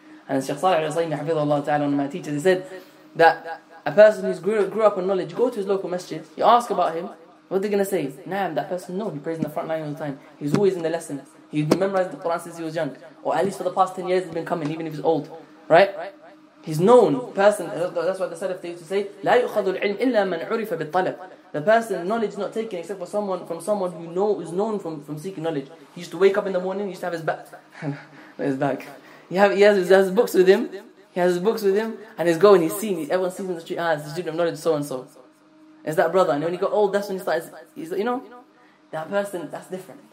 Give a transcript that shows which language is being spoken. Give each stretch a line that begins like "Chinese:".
English: And Shaykh Salih al-Rasayn, hafidhullah ta'ala, one of my teachers, he said that a person who's grew up in knowledge, go to his local masjid, you ask about him, what are they going to say? Naam, that person, no, he prays in the front line all the time. He's always in the lesson. He's memorized the Quran since he was young. Or at least for the past 10 years, he's been coming, even if he's old. Right? He's known person. That's what the Salaf used to say.
Arabic: لا يؤخذ العلم إلا من عرف بالطلب.
English: The person, knowledge is not taken except for someone who is known from seeking knowledge. He used to wake up in the morning, he used to have his back. his back. He has books with him. He has his books with him. And he's going, everyone sees him in the street, ah, it's a student of knowledge, so and so. It's that brother. And when he got old, that's when he starts, he's, you know, that person, that's different.